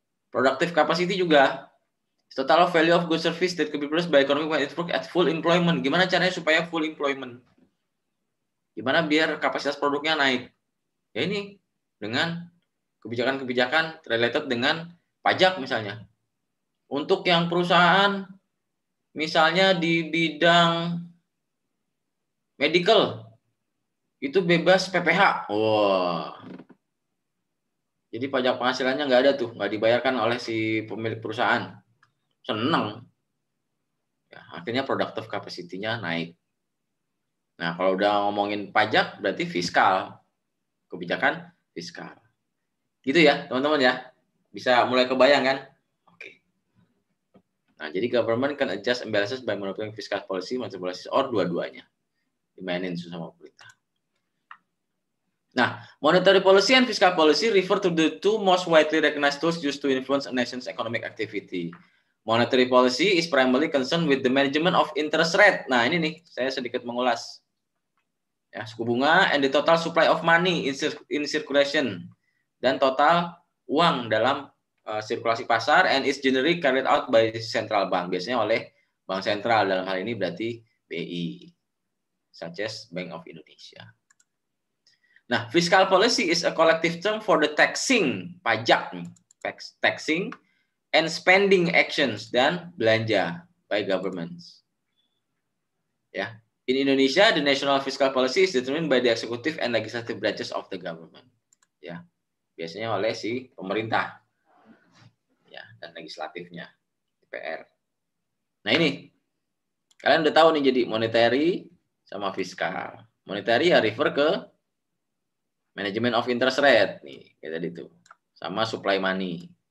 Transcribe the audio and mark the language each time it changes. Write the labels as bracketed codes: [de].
[en] Productive capacity juga total of value of good service that could be produced by economy when it work at full employment. [id] Gimana caranya supaya full employment? Gimana biar kapasitas produknya naik? Ya ini dengan kebijakan-kebijakan related dengan pajak misalnya. Untuk yang perusahaan misalnya di bidang medical itu bebas PPH. Wah. Jadi pajak penghasilannya nggak ada tuh, nggak dibayarkan oleh si pemilik perusahaan. Seneng. Ya, akhirnya productive capacity-nya naik. Nah, kalau udah ngomongin pajak berarti fiskal. Kebijakan fiskal. Gitu ya, teman-teman ya. Bisa mulai kebayang kan? [en] Oke. Nah, jadi government can adjust imbalances by manipulating fiscal policy, monetary policy, or [id] dua-duanya. Dimainin sama pemerintah. [en] Nah, monetary policy and fiscal policy refer to the two most widely recognized tools used to influence a nation's economic activity. Monetary policy is primarily concerned with the management of interest rate. [id] Nah, ini nih, saya sedikit mengulas. Ya, suku bunga [en] and the total supply of money in circulation [id] dan total uang dalam sirkulasi pasar [en] and is generally carried out by central bank, [id] biasanya oleh bank sentral, dalam hal ini berarti BI [en] such as Bank of Indonesia. Nah, fiscal policy is a collective term for the taxing, pajak, taxing and spending actions [id] dan belanja [en] by governments. Ya. In Indonesia, the national fiscal policy is determined by the executive and legislative branches of the government. [id] Ya, biasanya oleh si pemerintah, ya, dan legislatifnya, DPR. Nah ini, kalian udah tahu nih jadi monetary sama fiskal. [en] Monetary ya refer ke management of interest rate nih, [id] kayak tadi itu, sama [en] supply money.